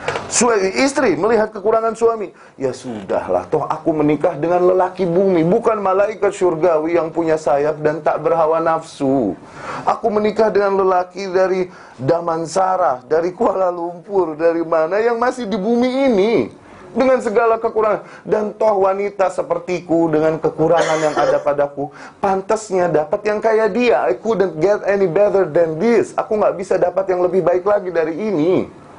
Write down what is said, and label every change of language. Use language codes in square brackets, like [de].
[id] Istri melihat kekurangan suami, ya sudahlah, toh aku menikah dengan lelaki bumi, bukan malaikat surgawi yang punya sayap dan tak berhawa nafsu. Aku menikah dengan lelaki dari Damansara, dari Kuala Lumpur, dari mana, yang masih di bumi ini dengan segala kekurangan, dan toh wanita sepertiku dengan kekurangan yang ada padaku pantasnya dapat yang kaya dia. [en] I couldn't get any better than this. [id] Aku gak bisa dapat yang lebih baik lagi dari ini.